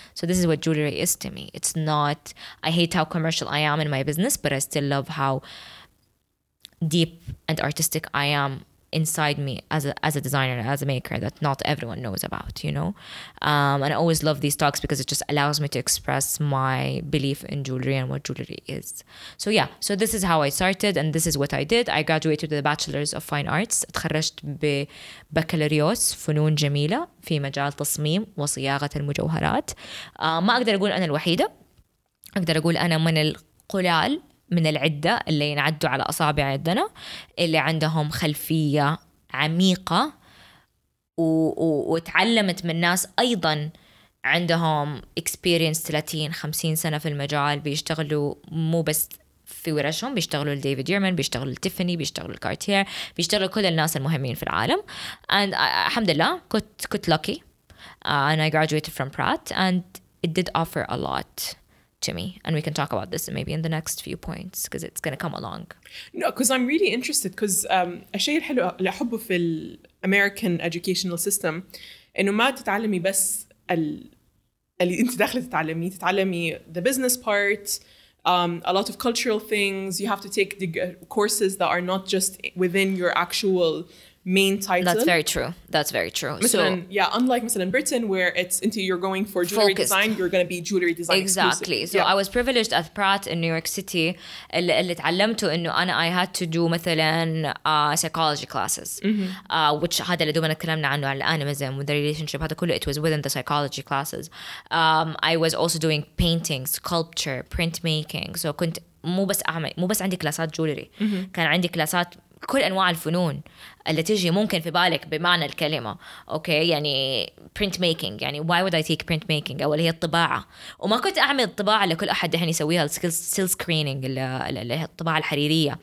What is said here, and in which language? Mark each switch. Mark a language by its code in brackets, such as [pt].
[en] So this is what jewelry is to me. It's not, I hate how commercial I am in my business, but I still love how deep and artistic I am inside me as a designer, as a maker, that not everyone knows about, you know. And I always love these talks, because it just allows me to express my belief in jewelry and what jewelry is. So yeah, so this is how I started, and this is what I did. I graduated with a bachelor's of fine arts. [ar] اتخرجت ببكالوريوس فنون جميلة في مجال تصميم وصياغة المجوهرات. ما أقدر أقول أنا الوحيدة, أقدر أقول أنا من القلال, من العدة اللي ينعدوا على أصابع عدنا, اللي عندهم خلفية عميقة وتعلمت من ناس أيضا عندهم experience 30-50 سنة في المجال, بيشتغلوا مو بس في ورشهم, بيشتغلوا لديفيد يورمان, بيشتغلوا لتيفاني, بيشتغلوا الكارتير, بيشتغلوا كل الناس المهمين في العالم. [en] And الحمد لله [ar] كنت [en] lucky, and I graduated from Pratt, and it did offer a lot to me, and we can talk about this maybe in the next few points, because it's going to come along. No, because I'm really interested, because [ar] الشيء الحلو اللي أحبه في ال [en] American educational system [ar] إنه ما تتعلمي بس اللي أنت داخل تتعلمي, تتعلمي [en] the business part, a lot of cultural things. You have to take the courses that are not just within your actual main title. That's very true. [ar] مثلاً, [en] so yeah, unlike مثلاً Britain, where it's into you're going for jewelry focused design, you're going to be jewelry design exactly exclusive. So yeah. I was privileged at Pratt in New York City. [ar] اللي تعلمته إنه أنا [en] I had to do [ar] مثلاً [en] psychology classes, which [ar] هذا اللي دوما نتكلمنا عنه على [en] animism with the relationship. [ar] هذا كله [en] it was within the psychology classes. I was also doing painting, sculpture, printmaking. [ar] So كنت مو بس عندي كلاسات جولري, كان عندي كلاسات كل أنواع الفنون اللي تجي ممكن في بالك بمعنى الكلمة. أوكي, يعني print making, يعني [en] why would I take print making, [ar] أو اللي هي الطباعة, وما كنت أعمل الطباعة اللي كل أحد دحين يسويها, السيل سكرينينج اللي هي الطباعة الحريرية.